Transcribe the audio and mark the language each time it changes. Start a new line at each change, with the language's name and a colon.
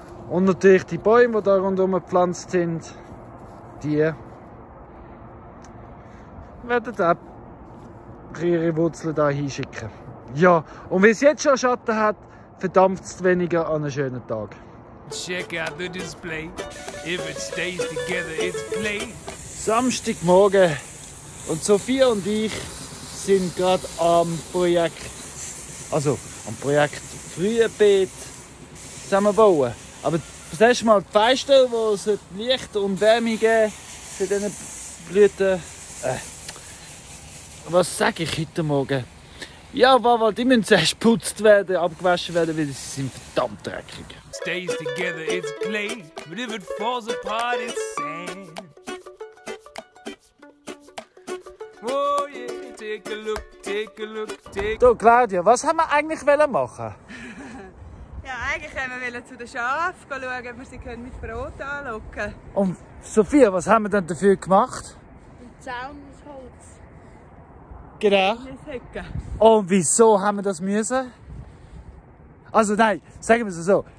German: Und natürlich die Bäume, die da rundherum gepflanzt sind, die werden auch ihre Wurzeln da hinschicken. Ja, und wie es jetzt schon Schatten hat, verdampft es weniger an einem schönen Tag.
English: Check out the display. If it stays together, it's play.
German: Samstagmorgen. Und Sophia und ich sind gerade am Projekt. Also am Projekt Frühbeet zusammenbauen. Aber das erste Mal die Fenster, die es Licht und Wärme geben für diese Blüten. Was sage ich heute Morgen? Ja, Baba, die müssen zuerst geputzt werden, abgewaschen werden, weil sie sind verdammt dreckig.
English: Stays together, it's clay, but if it falls apart, it's sand. Oh yeah, take a look, take a look, take a look.
German: Du, Claudia, was haben wir eigentlich wollen machen? Ja, eigentlich haben wir zu den Schafen schauen, ob wir sie mit Brot anlocken können. Und Sophia, was haben wir denn dafür gemacht? Ein Zaun aus Holz. Genau. Und wieso haben wir das müssen? Also nein, sagen wir es so.